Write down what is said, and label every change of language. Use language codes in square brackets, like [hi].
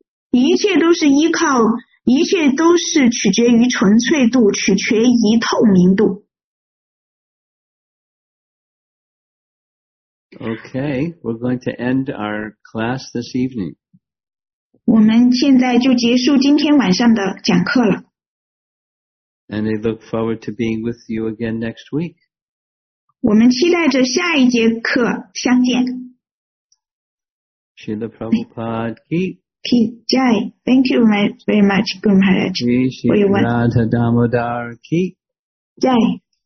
[zh] 一切都是依靠一切都是取决于纯粹度，取决于透明度。 [en] Okay, we're going to end our class this evening. [zh] 我们现在就结束今天晚上的讲课了。 [en] And I look forward to being with you again next week. [zh] 我们期待着下一节课相见。 [hi] Srila Prabhupada ki. [en] Jai, thank you very much, Guru Maharaj. [hi] Radha Damodar ki. Jai.